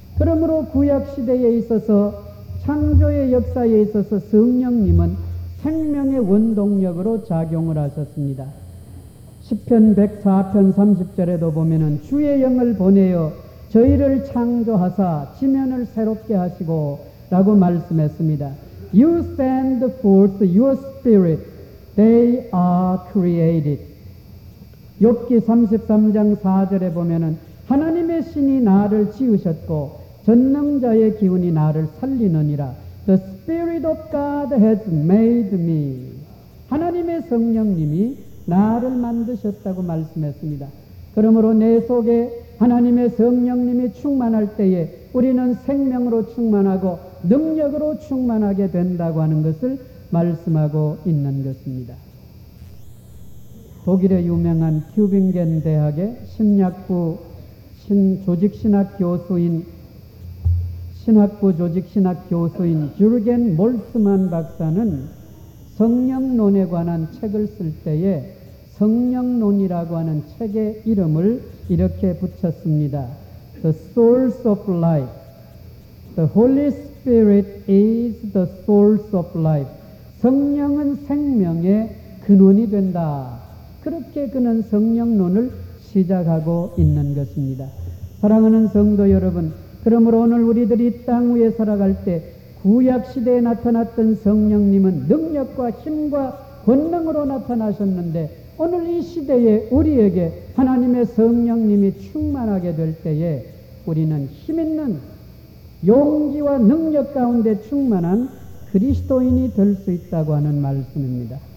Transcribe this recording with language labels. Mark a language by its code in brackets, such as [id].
[ko] 그러므로 구약시대에 있어서 창조의 역사에 있어서 성령님은 생명의 원동력으로 작용을 하셨습니다. 시편 104편 30절에도 보면은 주의 영을 보내어 저희를 창조하사 지면을 새롭게 하시고 라고 말씀했습니다. [en] You send forth your spirit, they are created. [ko] 욥기 33장 4절에 보면은 하나님의 신이 나를 지으셨고 전능자의 기운이 나를 살리느니라. [en] The Spirit of God has made me. [ko] 하나님의 성령님이 나를 만드셨다고 말씀했습니다. 그러므로 내 속에 하나님의 성령님이 충만할 때에 우리는 생명으로 충만하고 능력으로 충만하게 된다고 하는 것을 말씀하고 있는 것입니다. 독일의 유명한 튜빙겐 대학의 심리학부 신학부 조직신학 교수인 주르겐 몰스만 박사는 성령론에 관한 책을 쓸 때에 성령론이라고 하는 책의 이름을 이렇게 붙였습니다. [en] The source of life. The Holy Spirit is the source of life. [ko] 성령은 생명의 근원이 된다. 그렇게 그는 성령론을 시작하고 있는 것입니다. 사랑하는 성도 여러분, 그러므로 오늘 우리들이 땅 위에 살아갈 때 구약시대에 나타났던 성령님은 능력과 힘과 권능으로 나타나셨는데 오늘 이 시대에 우리에게 하나님의 성령님이 충만하게 될 때에 우리는 힘있는 용기와 능력 가운데 충만한 그리스도인이 될 수 있다고 하는 말씀입니다.